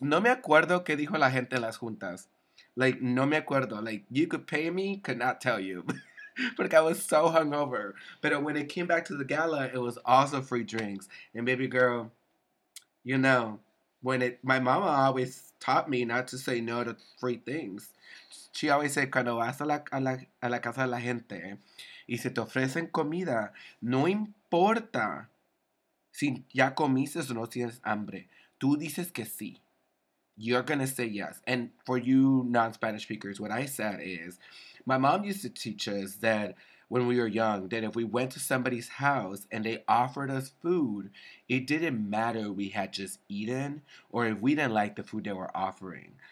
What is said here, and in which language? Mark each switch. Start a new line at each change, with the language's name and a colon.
Spanish: No me acuerdo qué dijo la gente en las juntas. Like, no me acuerdo.
English: Like, you could pay me, could not tell you. Because I was so hungover. But when it came back to the gala, it was also free drinks. And baby girl, you know, my mama always taught me not to say no to free things. She always said,
Spanish: cuando vas a la casa de la gente y se te ofrecen comida, no importa si ya comiste o no tienes hambre. Tú dices que sí.
English: You're going to say yes. And for you non-Spanish speakers, what I said is, my mom used to teach us that when we were young, that if we went to somebody's house and they offered us food, it didn't matter if we had just eaten or if we didn't like the food they were offering.